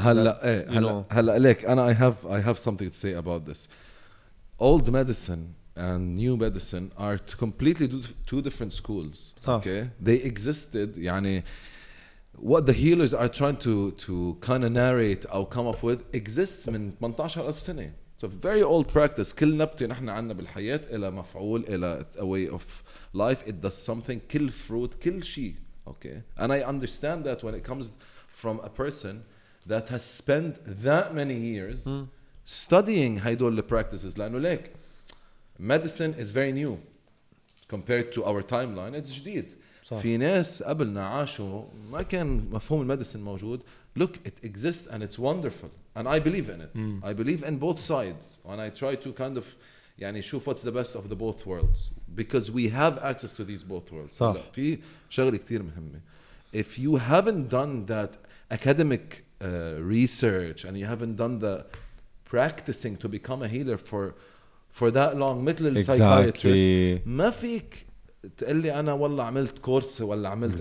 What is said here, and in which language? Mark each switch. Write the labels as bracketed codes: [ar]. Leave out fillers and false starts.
[en] I have something to say about this. Old medicine and new medicine are completely two different schools. Okay, they existed. يعني what the healers are trying to kind of narrate or come up with exists [ar] من 18,000 سنة. [en] It's a very old practice. [ar] كل نبتة نحن عنا بالحياة إلى مفعول إلى [en] a way of life. It does something. كل fruit, [ar] كل شيء. [en] Okay. And I understand that when it comes from a person that has spent that many years studying [ar] هيدول [en] practices. [ar] لأنه ليك [en] medicine is very new compared to our timeline. It's جديد. [ar] صح. في ناس قبلنا عاشوا ما كان مفهوم المديسن موجود [en] look it exists and it's wonderful and I believe in it I believe in both sides and I try to kind of [ar] يعني شوف [en] what's the best of the both worlds because we have access to these both worlds [ar] صح. في شغلة كتير مهمة [en] if you haven't done that academic research and you haven't done the practicing to become a healer for that long مثل psychiatrist [ar] ما فيك تقول لي انا والله عملت كورس ولا عملت